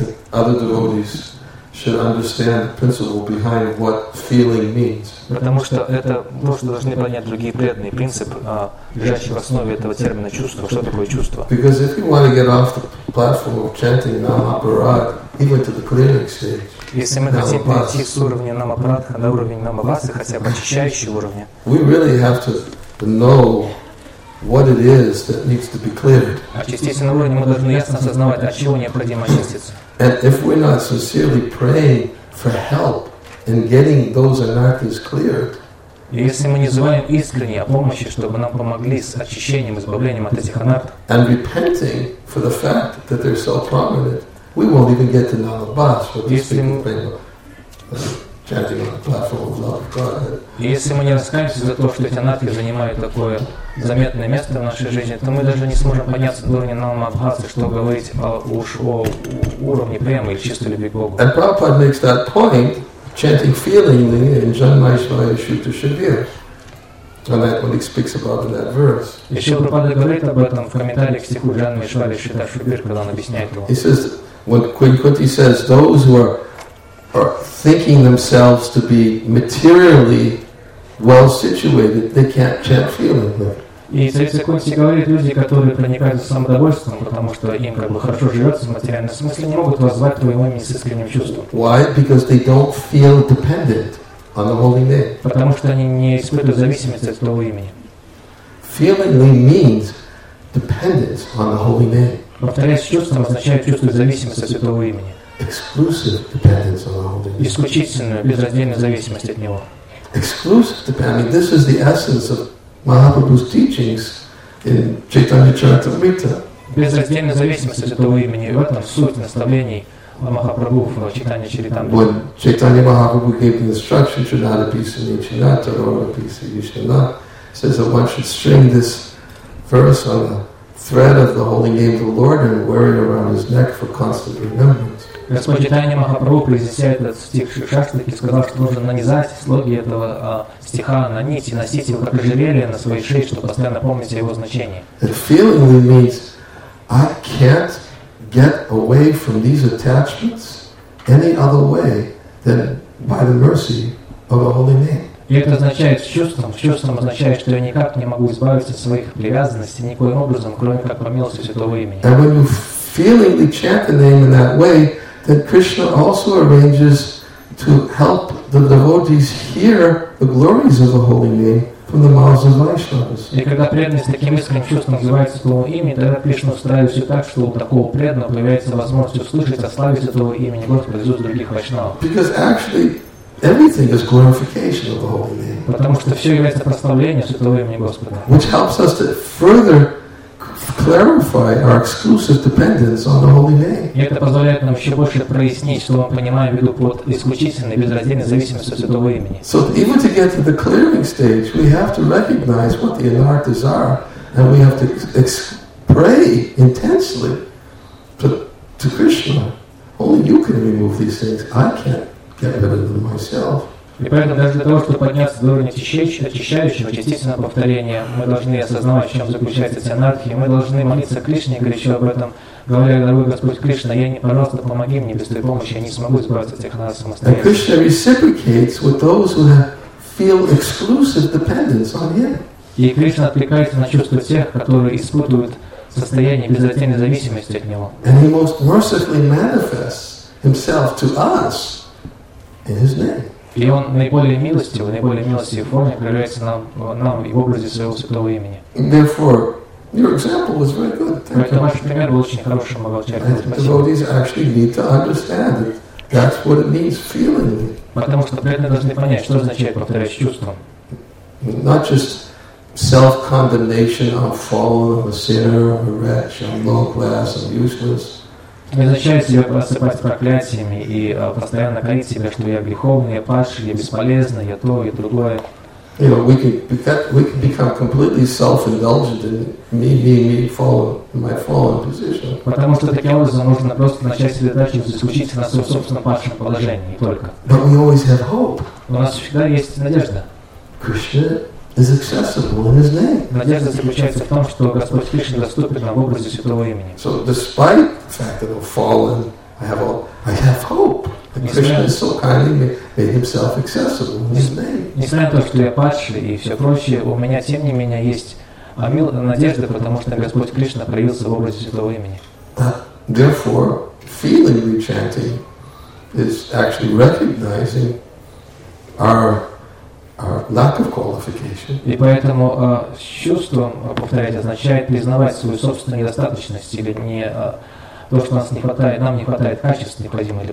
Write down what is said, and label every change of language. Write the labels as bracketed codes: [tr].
[en] I think other devotees should understand the principle behind what feeling means. [ru] Потому что это то, что должны понять другие преданные, принцип, лежащий в основе этого термина чувства. Что такое чувство? [en] Because if you want to get off the platform of chanting Namaparad, even to the clearing stage, [ru] если мы хотим перейти с уровня Намапрадха на уровень Намавасы, хотя бы очищающий уровень, [en] we really have to know what it is that needs to be cleared. [ru] Очистительный уровень, мы должны ясно осознавать, от чего необходимо очиститься. [en] And if we're not sincerely praying for help in getting those anarthas cleared, [ru] если мы не взываем искренне о помощи, чтобы нам помогли с очищением, избавлением от этих анарт, [en] and repenting for the fact that they're so prominent, we won't even get to Nalabas with these people praying, chanting on the platform of love of Godhead. [ru] Если мы не раскаемся за то, что эти анарты занимают такое заметное место в нашей жизни, то мы даже не сможем подняться до уровня Намабхасы, что говорить о уровне премы или чистой любви к Богу. [en] And Prabhupada makes that point, chanting feelingly in Janmaishvaya Shuddha Shabir. And that when he speaks about in that verse. [ru] И Шрила Прабхупада говорит об этом в комментарии к стиху Janmaishvaya Shuddha Shabir, когда он объясняет его. [en] He says, when Queen Kunti says, those who are thinking themselves to be materially well situated, they can't chant feelingly. [ru] И Царица Кунти говорит, люди, которые проникают за самодовольством, потому что им как бы хорошо живется в материальном смысле, не могут воззвать твоего имени с искренним чувством. [en] Why? Because they don't feel dependent on the holy name. [ru] Потому что они не испытывают зависимости от твоего имени. [en] Feelingly means dependence on the holy name. [ru] Повторяясь чувством, означает чувство зависимости от твоего имени. [en] Exclusive dependence on the holy name. [ru] Исключительную, безраздельную зависимость от него. [en] Exclusive dependence. This is the essence of Mahaprabhu's teachings in Chaitanya Charitamrita. [ru] Безраздельная зависимость от этого имени. В этом суть наставлений Махапрабху в Чайтанья Чаритамрите. [en] When Chaitanya Mahaprabhu gave the instruction to Narapisa Nichinata, Narapisa Yishnana, says that one should string this verse on the thread of the holy name of the Lord and wear it around his neck for constant remembrance. [ru] Господь Чайтанья Махапрабху произнеся этот стих Шаштаки, сказал, что нужно нанизать слоги этого стиха на нить и носить его как ожерелье на своей шее, чтобы постоянно помнить о его значении. [en] And feelingly means I can't get away from these attachments any other way than by the mercy of the holy name. [ru] И это означает чувством означает, что я никак не могу избавиться от своих привязанностей никоим образом, кроме как по милости Святого Имени. [en] And when you feelingly chant the name in that way, that Krishna also arranges to help the devotees hear the glories of the holy name from the mouths of Vaishnavas. [ru] И когда преданный с таким искренним чувством называет Святого Имени, тогда Кришна устраивает все так, что у такого преданного появляется возможность услышать о славе Святого Имени Господа из уст других Вайшнавов. [en] Because actually, everything is glorification of the holy name. [ru] Потому что все является прославлением Святого Имени Господа. [en] Which helps us to further clarify our exclusive dependence on the holy name. [ru] И это позволяет нам еще больше прояснить, что мы понимаем в виду под исключительной, безраздельной зависимостью от Святого Имени. [en] So even to get to the clearing stage, we have to recognize what the anarthas are, and we have to pray intensely to Krishna. Only you can remove these things. I can't get rid of them myself. [ru] И поэтому даже для того, чтобы подняться до уровня очищающего, частичного повторения, мы должны осознавать, в чем заключается эти анархии. Мы должны молиться Кришне, горячо об этом, говоря, дорогой Господь Кришна, я не, пожалуйста, помоги мне без твоей помощи, я не смогу избавиться от тех нас самостоятельно. [en] And Krishna reciprocates with those who feel exclusive dependence on Him. [ru] И Кришна откликается на чувства тех, которые испытывают состояние безраздельной зависимости от Него. [en] And He most mercifully manifests Himself to us in His name. [ru] И он наиболее милостивой форме проявляется нам в образе своего святого имени. [en] Therefore, your example was very good. [ru] Поэтому ваш пример был очень хорошим, Магалчарь. [en] Devotees actually need to understand it. That's what it means feeling. [ru] Потому что преданные должны понять, что означает повторять чувством. [en] Not just self-condemnation, I'm fallen, I'm a sinner, I'm a wretch, I'm low class, I'm useless. [ru] Не означает себя просыпать проклятиями и постоянно корить себя, что я греховный, я падший, я бесполезный, я то, я другое. [en] You know, we could become completely self-indulgent in me falling in my fallen position. [ru] Потому что таким образом можно просто начать себе дальше заключиться на своем собственном падшем положении только. [en] But we always have hope. [ru] У нас всегда есть надежда. [en] Krishna is accessible in His name. [ru] Надежда заключается в том, что Господь Кришна доступен нам в образе Святого имени. [en] So despite the fact that I've fallen, I have hope. Krishna is so kindly made himself accessible in his name. [ru] Несмотря на то, что я падший и все прочее, у меня тем не менее есть надежда, потому что Господь Кришна проявился в образе Святого имени. [en] Therefore, feeling the chanting is actually recognizing our lack of qualification. [ru] И поэтому чувством, повторяю, означает признавать свою собственную недостаточность или не то, что нам не хватает качеств, необходимых для